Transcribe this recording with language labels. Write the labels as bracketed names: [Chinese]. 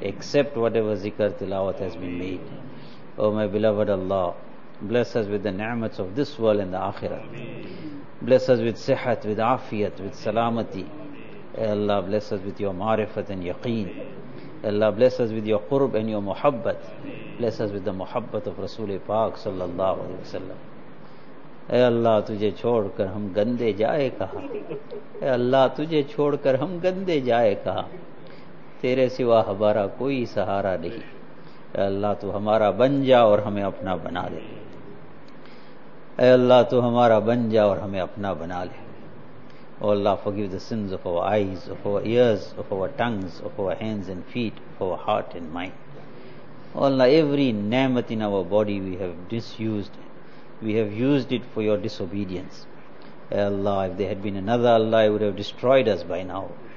[English] Except whatever zikr tilawat has been made. Oh my beloved Allah, bless us with the ni'mats of this world and the akhirat. Bless us with sihat, with afiyat, with salamati. Ya Allah, bless us with your marifat and yaqeen. Ya Allah, bless us with your qurb and your muhabbat. Bless us with the muhabbat of Rasul Pak sallallahu alayhi wa sallam. [Urdu] اے اللہ تجھے چھوڑ کر ہم گندے جائے کہاں، اے اللہ تجھے چھوڑ کر ہم گندے جائے کہاں، تیرے سوا ہمارا کوئی سہارا نہیں، اے اللہ تو ہمارا بن جا اور ہمیں اپنا بنا لے، اے اللہ تو ہمارا بن جا اور ہمیں اپنا بنا لے. [English] او اللہ forgive the sins of our eyes, of our ears, of our tongues, of our hands and feet, of our heart and mind. او اللہ every نعمت in our body we have disused. We have used it for your disobedience. Ya Allah, if there had been another Allah, it would have destroyed us by now.